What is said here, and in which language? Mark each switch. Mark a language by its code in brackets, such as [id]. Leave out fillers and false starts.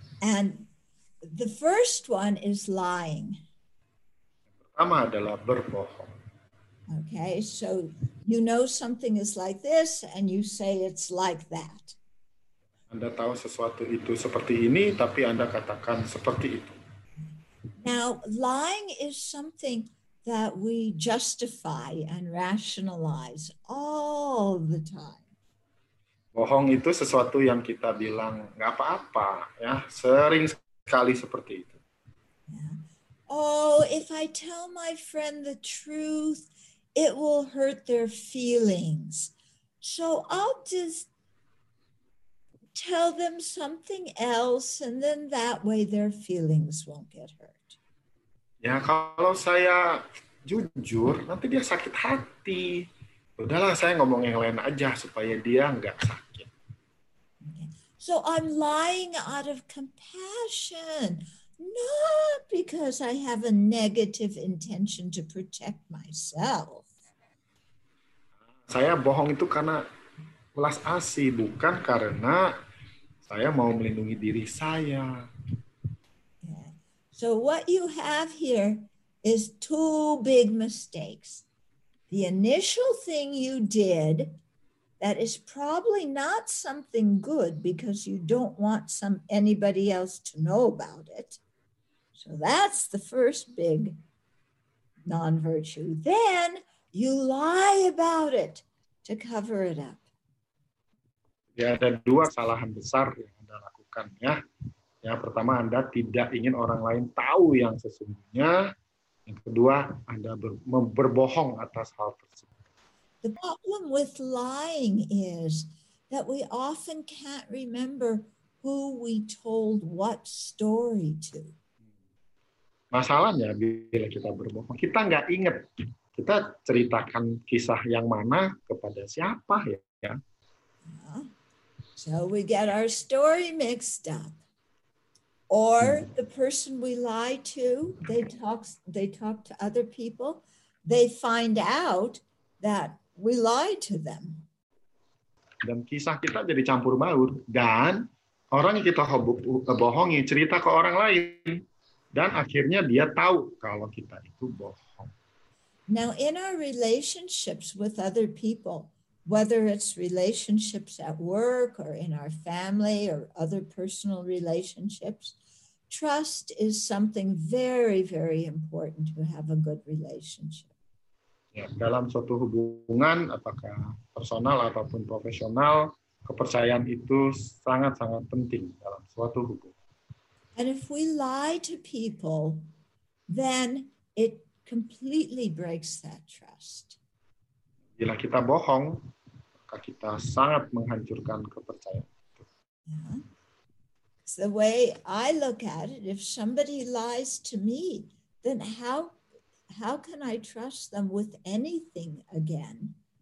[en] And the first one is lying. [id] Pertama adalah berbohong. [en] Okay, so you know something is like this and you say it's like that. [id] Anda tahu sesuatu itu seperti ini, tapi Anda katakan seperti itu. [en] Now, lying is something that we justify and rationalize all the time. [id] Bohong itu sesuatu yang kita bilang nggak apa-apa, ya, sering sekali seperti itu. [en] Oh, if I tell my friend the truth, it will hurt their feelings. So I'll just tell them something else, and then that way their feelings won't get hurt. [id] Ya, kalau saya jujur, nanti dia sakit hati. Udahlah, saya ngomong yang lain aja supaya dia nggak sakit. [en] Okay. So I'm lying out of compassion. Not because I have a negative intention to protect myself. [id] Saya bohong itu karena belas kasih, bukan karena saya mau melindungi diri saya. [en] Yeah. So what you have here is two big mistakes. The initial thing you did that is probably not something good because you don't want anybody else to know about it. So that's the first big non-virtue. Then you lie about it to cover it up. [id] Ya, ada dua kesalahan besar yang Anda lakukan, ya. Yang pertama, Anda tidak ingin orang lain tahu yang sesungguhnya. Yang kedua, Anda berbohong atas hal tersebut. [en] The problem with lying is that we often can't remember who we told what story to. [id] Masalahnya bila kita berbohong, kita nggak ingat kita ceritakan kisah yang mana kepada siapa, ya. [en] So we get our story mixed up, or the person we lie to, they talk to other people, they find out that we lied to them. [id] Dan kisah kita jadi campur baur dan Orang yang kita bohongi cerita ke orang lain, dan akhirnya dia tahu kalau kita itu bohong. [en] Now, in our relationships with other people, whether it's relationships at work or in our family or other personal relationships, trust is something very, very important to have a good relationship. [id] Ya, dalam suatu hubungan, apakah personal ataupun profesional, kepercayaan itu sangat-sangat penting dalam suatu hubungan. [en] And if we lie to people, then it completely breaks that trust. [id] Bila kita bohong, maka kita sangat menghancurkan kepercayaan itu. [en] So the way I look at it, if somebody lies to me, then how can I trust them with anything again?